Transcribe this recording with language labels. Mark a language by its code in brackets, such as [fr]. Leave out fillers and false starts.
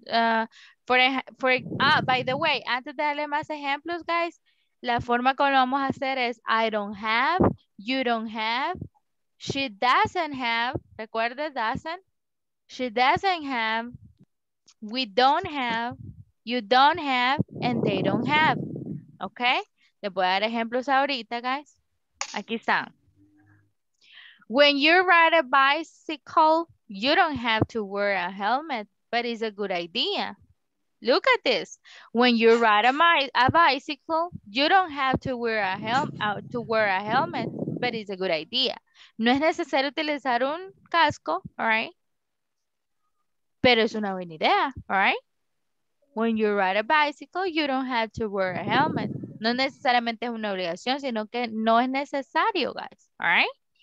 [en] By the way, [es] antes de darle más ejemplos, [en] guys, [es] la forma como lo vamos a hacer es [en] I don't have, you don't have, she doesn't have, recuerda, doesn't, she doesn't have, we don't have, you don't have, and they don't have. [es] Okay, le voy a dar ejemplos ahorita, guys. Aquí están. [en] When you ride a bicycle, you don't have to wear a helmet, but it's a good idea. Look at this. When you ride a bicycle, you don't have to wear a helmet, but it's a good idea. [es] No es necesario utilizar un casco, all right? Pero es una buena idea, all right? [en] When you ride a bicycle, you don't have to wear a helmet. [es] No necesariamente es una obligación, sino que no es necesario, guys, all right?